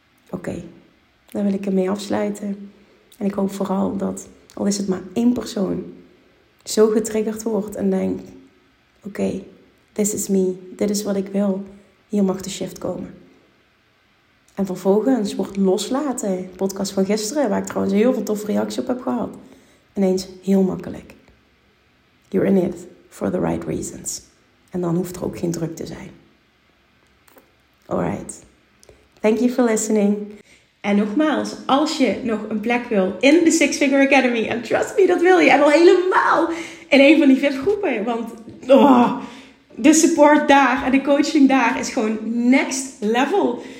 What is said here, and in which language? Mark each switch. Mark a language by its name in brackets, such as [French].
[Dutch] Oké, daar wil ik ermee afsluiten. En ik hoop vooral dat, al is het maar één persoon, zo getriggerd wordt en denkt, oké, [English] this is me, [Dutch] dit is wat ik wil, hier mag de shift komen. En vervolgens wordt loslaten, podcast van gisteren, waar ik trouwens heel veel toffe reacties op heb gehad, ineens heel makkelijk. [English] You're in it for the right reasons. [Dutch] En dan hoeft er ook geen druk te zijn. [English] Alright. Thank you for listening. [Dutch] En nogmaals, als je nog een plek wil in de Six Figure Academy. En [English] trust me, [Dutch] dat wil je. En al helemaal in een van die VIP-groepen. Want de support daar en de coaching daar is gewoon next level.